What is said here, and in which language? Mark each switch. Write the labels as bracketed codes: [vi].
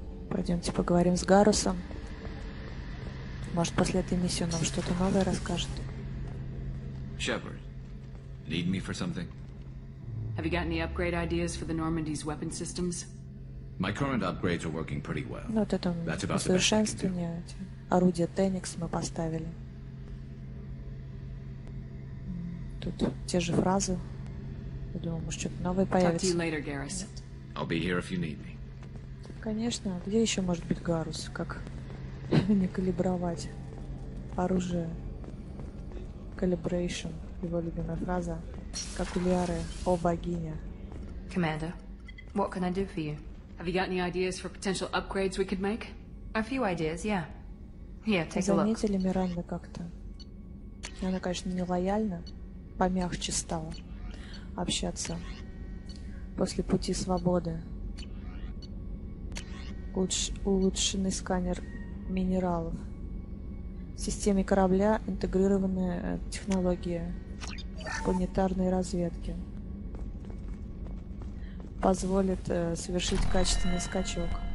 [ru] Пойдемте поговорим с Гарусом. Может, после этой миссии он нам что-то новое расскажет. [en] Shepard, need me for something? Have you got any upgrade ideas for the Normandy's weapon systems? My current upgrades are working pretty well. [ru] Ну, вот это усовершенствование. Орудие Теникс мы поставили. Тут те же фразы. Я думаю, может, что-то новое появится. [en] Talk to you later, Garrus. I'll be here if you need me. [ru] Конечно, где еще может быть Гарус? Как не калибровать оружие? Калибрейшн, его любимая фраза. Как у Лиары, о богиня. [en] Commander, what can I do for you? Have you got any ideas for potential upgrades we could make? A few ideas, yeah. Here, take a look. [ru] Заметили Миранда как-то? Она, конечно, не лояльна, помягче стала общаться после пути свободы. Улучшенный сканер минералов. В системе корабля интегрированная технология планетарной разведки позволит совершить качественный скачок.